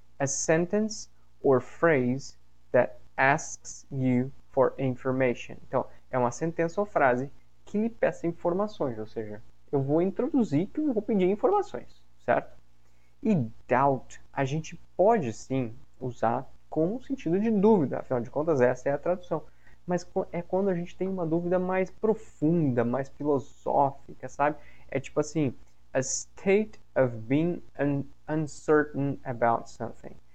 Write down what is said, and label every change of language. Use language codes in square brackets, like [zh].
[en] A sentence or phrase that asks you for information. [pt] Então, é uma sentença ou frase que lhe peça informações, ou seja, eu vou introduzir que eu vou pedir informações, certo? E doubt, a gente pode sim usar com o sentido de dúvida, afinal de contas, essa é a tradução. Mas é quando a gente tem uma dúvida mais profunda, mais filosófica, sabe? É tipo assim, [en] a state of being uncertain about something.